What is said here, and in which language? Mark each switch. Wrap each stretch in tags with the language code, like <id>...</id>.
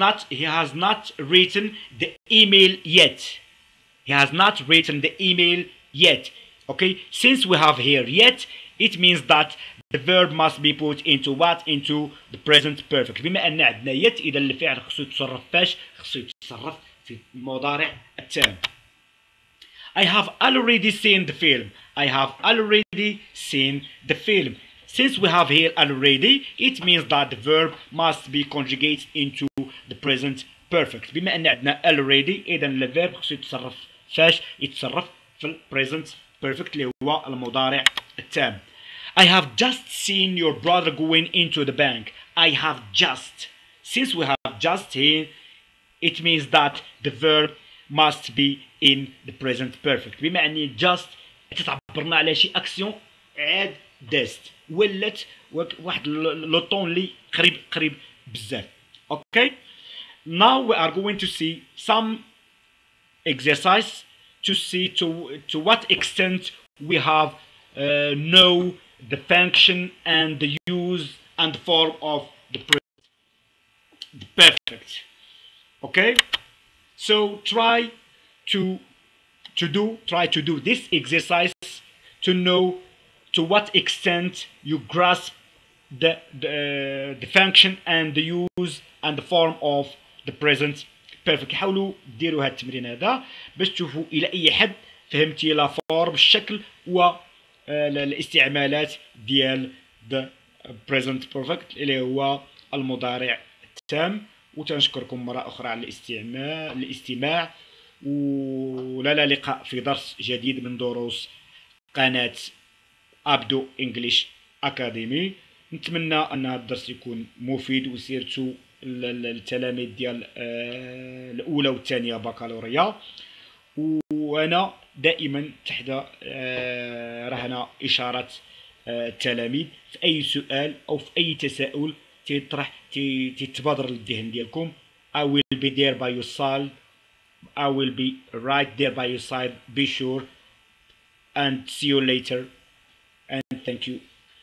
<en>He has not written the email yet. He has not written the email yet. Okay, since we have here yet it means that the verb must be put into what into the present perfect.</en> <ar>بما ان عندنا يت اذا الفعل خصو يتصرف فاش خصو يتصرف في المضارع التام.</ar> <en>I have already seen the film. I have already seen the film. Since we have here already it means that the verb must be conjugated into the present perfect.</en> <ar>بما ان عندنا already اذا الفعل خصو يتصرف فاش يتصرف في present perfect اللي هو المضارع التام.</ar> <en>I have just seen your brother going into the bank. I have just. Since we have just seen, it means that the verb must be in the present perfect.</en> <ar>بما أني just تعبرنا على شيء أكسيون عاد دست ولت واحد لطون لي قريب قريب بزاف.</ar> <en>Okay. Now we are going to see some exercise to see to what extent we have know the function and the use and the form of the perfect. Okay, so try to do this exercise to know to what extent you grasp the function and the use and the form of the present perfect.</en> <ar>حاولوا ديروا هذا التمرين هذا باش تشوفوا الى اي حد فهمتي لا فورم الشكل و الاستعمالات ديال the present perfect اللي هو المضارع التام. وتنشكركم مرة أخرى على الاستماع ولا لقاء في درس جديد من دروس قناة أبدو إنجليش أكاديمي. نتمنى أن هذا الدرس يكون مفيد وسيرتو للتلاميذ ديال الأولى والثانية بكالوريا. وأنا دائما تحت رهنة إشارة التلاميذ في أي سؤال أو في أي تساؤل تطرح تتبادر للذهن ديالكم.</ar> <en>I will be there by your side. I will be right there by your side. Be sure and see you later and thank you.</en>